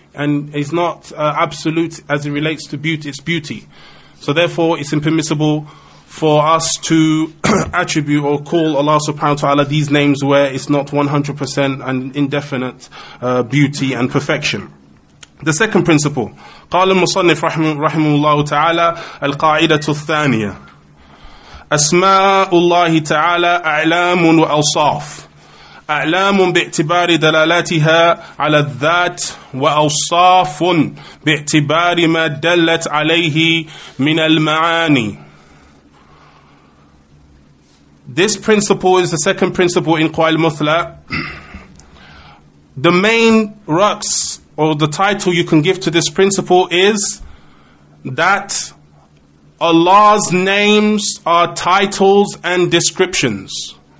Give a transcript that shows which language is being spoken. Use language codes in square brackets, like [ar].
[en] And it's not absolute as it relates to beauty. It's beauty. So therefore it's impermissible for us to attribute or call Allah subhanahu wa ta'ala these names where it's not 100% and indefinite beauty and perfection. The second principle. [ar] قال المصنف رحمه الله تعالى القاعدة الثانية أسماء الله تعالى أعلام وأوصاف أعلام باعتبار دلالتها على الذات وأوصاف باعتبار ما دلت عليه من المعاني. [en] This principle is the second principle in Qawaid al-Muthla. The main rux, or the title you can give to this principle, is that Allah's names are titles and descriptions.